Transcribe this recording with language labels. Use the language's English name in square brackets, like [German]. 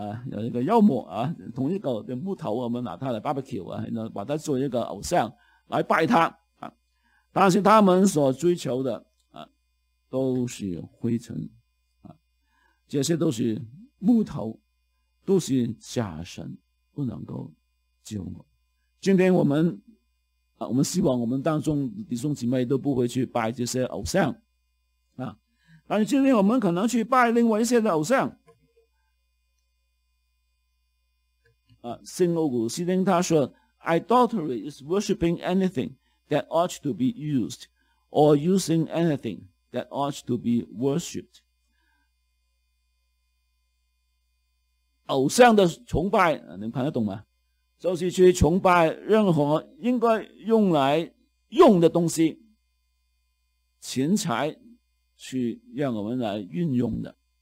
[Chinese] 有一个幽默啊，同一个的木头我们拿它来 barbecue 啊，然后把它做一个偶像来拜它啊，但是他们所追求的啊都是灰尘啊，这些都是木头，都是假神，不能够救我。今天我们我们希望我们当中弟兄姐妹都不会去拜这些偶像啊，但是今天我们可能去拜另外一些的偶像。圣奥古斯丁他说 [English] Idolatry is worshipping anything that ought to be used or using anything that ought to be worshipped。 [Chinese] 偶像的崇拜你看得懂吗？就是去崇拜任何应该用来用的东西，钱财去让我们来运用的。